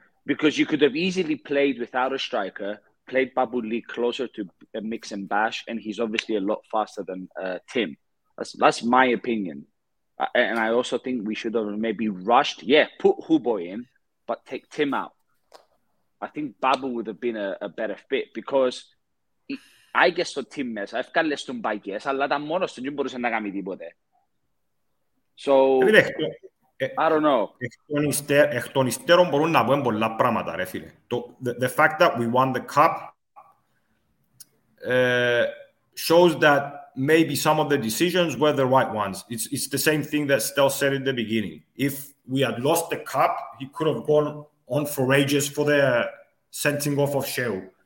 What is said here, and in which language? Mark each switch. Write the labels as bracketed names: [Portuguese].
[English] Because you could have easily played without a striker, played Babu Lee closer to a mix and bash, and he's obviously a lot faster than Tim. That's my opinion. And I also think we should have maybe rushed. Yeah, put Huboy in, but take Tim out. I think Babu would have been a better fit because... I guess for Tim Mess, I've got less than by guess, [Greek] αλλά ήταν μόνος του, δεν μπορούσε να κάνει τίποτε. [English] So, I don't know. [Greek] Εκ των υστέρων μπορούν να πούμε πολλά πράγματα, ρε φίλε. [English] The fact that we won the cup shows that maybe some of the decisions were the right ones. It's the same thing that Stel said in the beginning. If we had lost the cup, he could have gone on for ages for the sending off of Sheu.